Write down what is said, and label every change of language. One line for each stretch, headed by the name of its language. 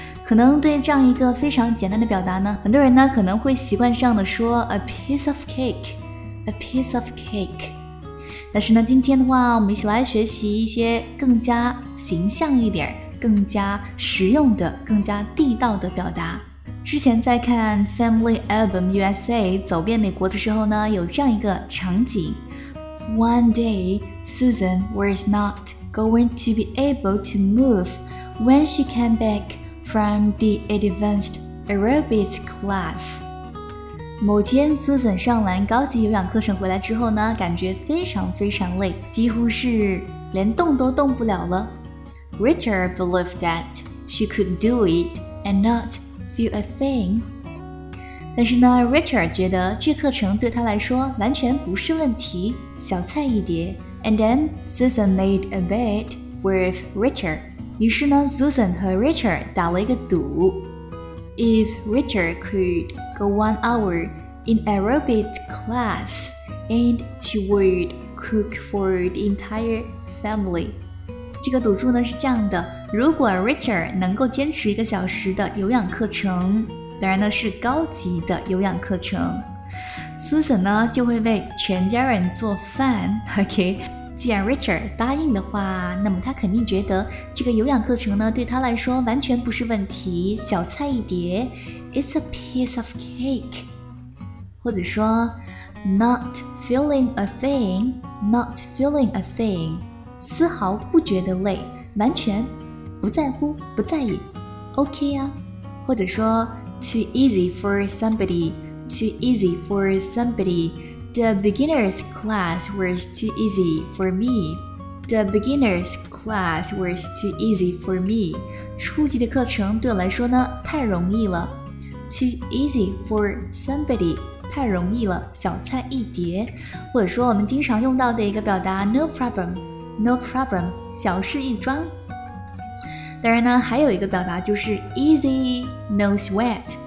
Chinese: 可能对这样一个非常简单的表达呢，很多人呢可能会习惯上的说
English: "a piece of cake,
Chinese: a piece of cake"。但是呢，今天的话，我们一起来学习一些更加形象一点、更加实用的、更加地道的表达。之前在看 Family Album USA 走遍美国的时候呢，有这样一个场景：
English: One day, Susan was not going to be able to move when she came back from the advanced aerobics class.
Chinese: 某天 Susan 上完高级有氧课程回来之后呢，感觉非常非常累，几乎是连动都动不了了。
English: Richard believed that she could do it and not feel a thing.
Chinese: 但是呢， Richard 觉得这课程对他来说完全不是问题，小菜一碟。
English: And then Susan made a bet with Richard.
Chinese: 于是呢， Susan 和 Richard 打了一个赌。
English: If Richard could go 1 hour in aerobics class, and she would cook for the entire family.
Chinese: 这个赌注呢是这样的，如果 Richard 能够坚持一个小时的有氧课程，当然呢是高级的有氧课程， Susan 呢就会为全家人做饭， OK? 既然 Richard 答应的话，那么他肯定觉得这个有氧课程呢对他来说完全不是问题，小菜一碟。
English: It's a piece of cake.
Chinese: 或者说
English: Not feeling a thing, not feeling a thing.
Chinese: 丝毫不觉得累，完全不在乎，不在意， OK 啊。或者说
English: Too easy for somebody, too easy for somebodyThe beginner's class was too easy for me. The beginner's class was too easy for me.
Chinese: 初级的课程对我来说呢，太容易了。
English: Too easy for somebody.
Chinese: 太容易了，小菜一碟。或者说我们经常用到的一个表达
English: No problem. No problem.
Chinese: 小事一桩。当然呢，还有一个表达就是
English: Easy. No sweat.